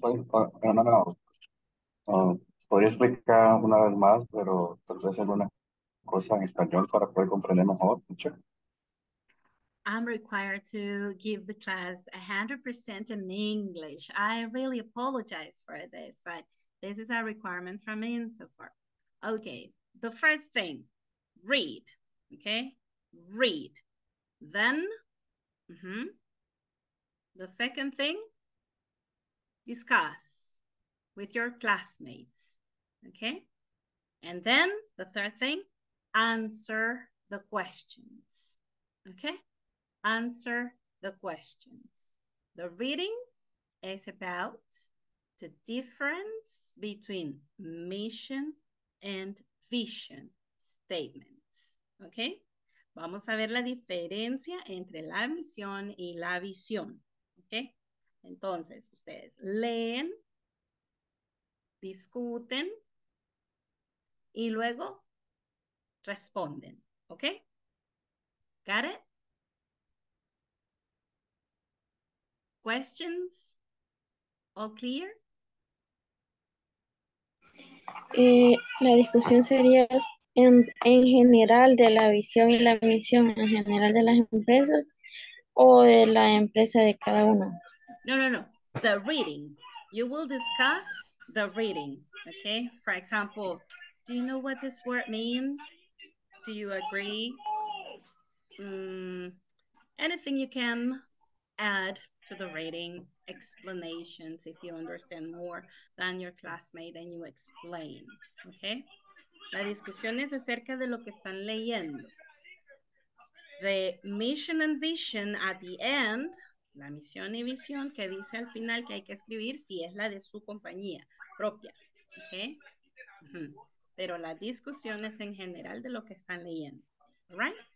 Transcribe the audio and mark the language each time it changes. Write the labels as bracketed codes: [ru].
[es] Podría explicar una vez más, pero tal vez alguna cosa en español para poder comprender mejor. [en] I'm required to give the class 100% in English. I really apologize for this, but this is a requirement from me and so forth. Okay, the first thing, read, okay? Read. Then, the second thing, discuss with your classmates, okay? And then the third thing, answer the questions, okay? Answer the questions. The reading is about the difference between mission and vision statements. Okay? [es] Vamos a ver la diferencia entre la misión y la visión. Okay? Entonces, ustedes leen, discuten, y luego responden. Okay? Got it? [en] Questions? All clear? [es] La discusión sería en general de la visión y la misión en general de las empresas o de la empresa de cada uno. [en] No. The reading. You will discuss the reading. Okay? For example, do you know what this word means? Do you agree? Anything you can add to the reading, explanations, if you understand more than your classmate, then you explain, okay? [es] La discusión es acerca de lo que están leyendo. The mission and vision at the end, la misión y visión, que dice al final que hay que escribir si es la de su compañía propia, okay? Pero la discusión es en general de lo que están leyendo, right?